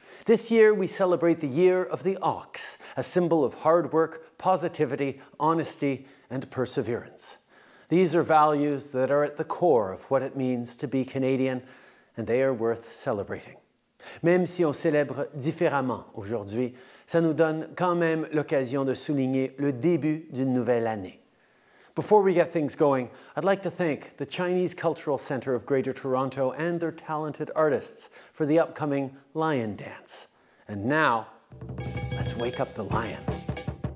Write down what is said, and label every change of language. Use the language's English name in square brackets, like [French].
[English] This year, we celebrate the Year of the Ox, a symbol of hard work, positivity, honesty, and perseverance. These are values that are at the core of what it means to be Canadian, and they are worth celebrating. [French] Même si on célèbre différemment aujourd'hui, ça nous donne quand même l'occasion de souligner le début d'une nouvelle année. [English] Before we get things going, I'd like to thank the Chinese Cultural Centre of Greater Toronto and their talented artists for the upcoming Lion Dance. And now, let's wake up the lion.